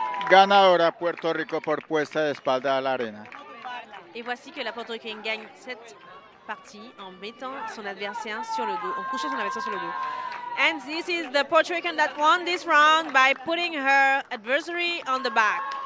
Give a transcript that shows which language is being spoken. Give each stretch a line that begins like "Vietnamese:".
Spanish: Ganadora Puerto Rico por puesta de espalda a la arena.
French: Et voici que la Puerto Rican gagne cette partie en mettant son adversaire sur le dos, en couchant son adversaire sur le dos.
English: And this is the Puerto Rican that won this round by putting her adversary on the back.